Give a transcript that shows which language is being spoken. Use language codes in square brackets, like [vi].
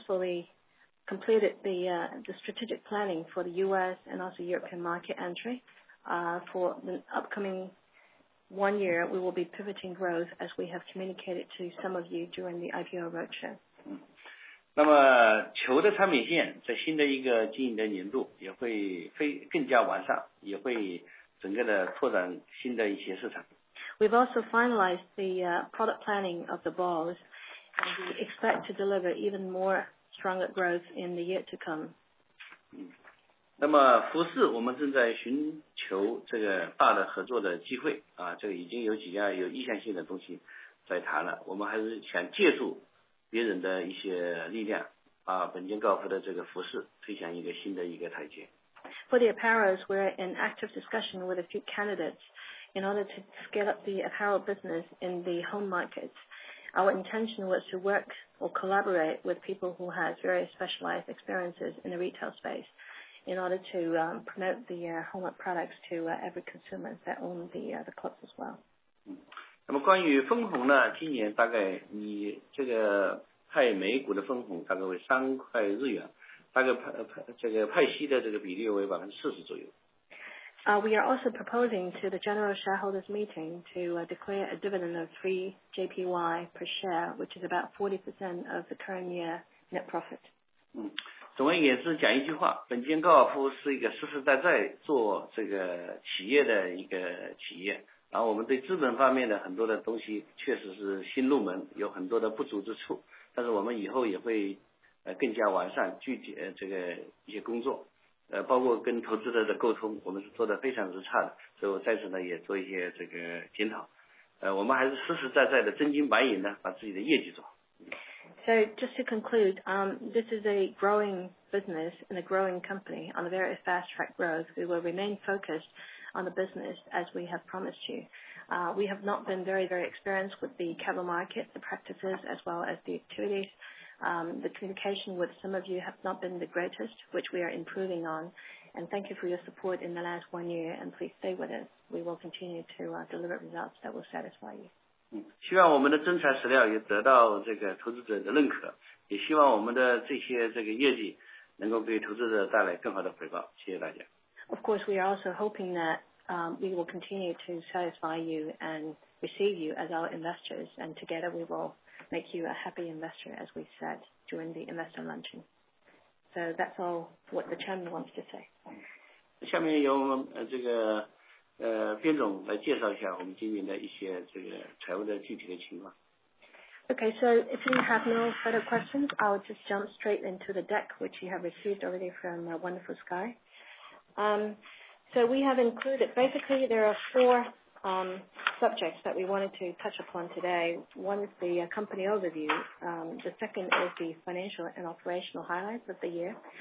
[en] We have also successfully completed the strategic planning for the U.S. and also European market entry. For the upcoming one year, we will be pivoting growth as we have communicated to some of you during the IPO roadshow. [zh] 那么球的产品线在新的一个经营的年度也会更加完 善， 也会整个地拓展新的一些市场。 [en] We've also finalized the product planning of the balls, and we expect to deliver even more stronger growth in the year to come. [zh] 那么服 饰， 我们正在寻求这个大的合作的机 会， 这个已经有几家有意向性的东西在谈 了， 我们还是想借助别人的一些力 量， 把本金高尔夫的这个服饰推向一个新的一个台阶。 [en] For the apparels, we're in active discussion with a few candidates in order to scale up the apparel business in the home markets. Our intention was to work or collaborate with people who have very specialized experiences in the retail space in order to promote the homework products to every consumer that own the clubs as well. [zh] 那么关于分红呢，今年大概以这个派每股的分红大概为3块日元，大概这个派息的这个比例为40%左右。 [en] We are also proposing to the general shareholders meeting to declare a dividend of 3 JPY per share, which is about 40% of the current year net profit. [zh] 总而言之，讲一句话，本间高尔夫是一个实实在在做这个企业的一个企业。然后我们对资本方面的很多的东西确实是新入门，有很多的不足之处，但是我们以后也会更加完善具体这个一些工作，包括跟投资者的沟通，我们是做得非常之差的，所以我在此呢也做一些这个检讨，我们还是实实在在的真金白银的把自己的业绩做。 [en] So just to conclude, this is a growing business and a growing company on a very fast track growth. We will remain focused. On the business, as we have promised you, we have not been very, very experienced with the capital market, the practices, as well as the activities. The communication with some of you have not been the greatest, which we are improving on. And thank you for your support in the last 1 year. And please stay with us. We will continue to deliver results that will satisfy you. [zh] 希望我们的真材实料也得到这个投资者的认可，也希望我们的这些这个业绩能够给投资者带来更好的回报。谢谢大家。 [en] Of course, we are also hoping that we will continue to satisfy you and receive you as our investors, and together we will make you a happy investor, as we said during the investor luncheon. So that's all what the chairman wants to say. [zh] 下面由这个边总来介绍一下我们今年的一些这个财务的具体的情况。 [en] Okay, so if you have no further questions, I'll just jump straight into the deck which you have received already from Wonderful Sky. So we have included, basically there are four subjects that we wanted to touch upon today. One is the company overview, the second is the financial and operational highlights of the year.